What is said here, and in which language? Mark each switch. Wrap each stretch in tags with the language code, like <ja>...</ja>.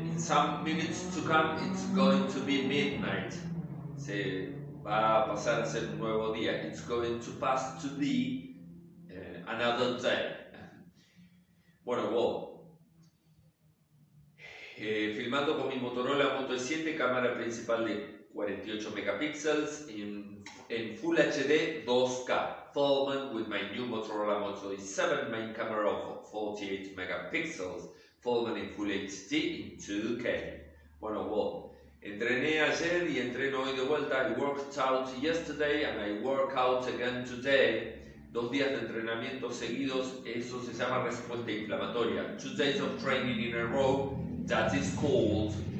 <en>In some minutes to come, it's going to be midnight.</en> <es>Se va a pasar a ser un nuevo día.</es> <en>It's going to pass to be another day.</en> <es>Bueno, well. Filmando con mi Motorola Moto E7, cámara principal de 48 megapixels</es> <en>in full HD 2K. Filming with my new Motorola Moto E7 main camera of 48 megapixels. Filming in full HD in 2K.</en> <es>Bueno, well, entrené ayer y entreno hoy de vuelta.</es> <en>I worked out yesterday and I work out again today.</en> <es>Dos días de entrenamiento seguidos, eso se llama respuesta inflamatoria.</es> <en>2 days of training in a row, that is called.</en>